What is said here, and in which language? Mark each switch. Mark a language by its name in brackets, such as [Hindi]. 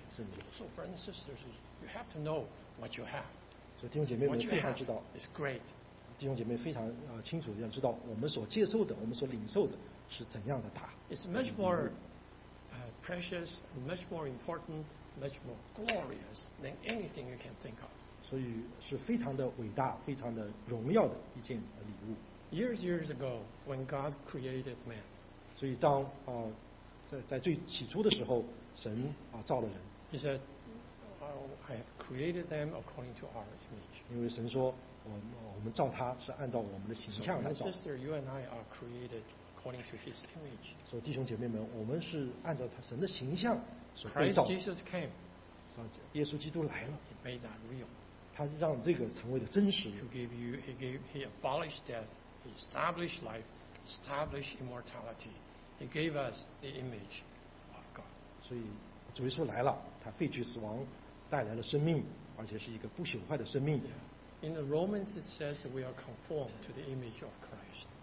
[English] So brothers and sisters, you have to know what you have. [Chinese] 所以弟兄姐妹们非常知道。 [English] It's great. [Chinese] 弟兄姐妹非常清楚的要知道我们所接受的我们所领受的是怎样的大 [English] It's much more precious, much more important, much more glorious than anything you can think of. [Chinese] 所以是非常的伟大非常的荣耀的一件礼物 [English] Years ago, when God created man, [Chinese] 所以当在最起初的时候神造了人 [English] He said, I have created them according to our image. [Chinese] 因为神说我们照他是按照我们的形象来造。 [English] So, sister, you and I are created according to His image. [Chinese] 所以弟兄姐妹们，我们是按照他神的形象所被造。 [English] Christ Jesus came. [Chinese] 耶稣基督来了。 [English] He made that real. [Chinese] 他让这个成为了真实。 [English] He abolished death. He established life. Established immortality. He gave us the image of God. [Chinese] 所以主耶稣来了，他废去死亡，带来了生命，而且是一个不朽坏的生命。 [English] Yeah. In the Romans, it says that we are conformed to the image of Christ.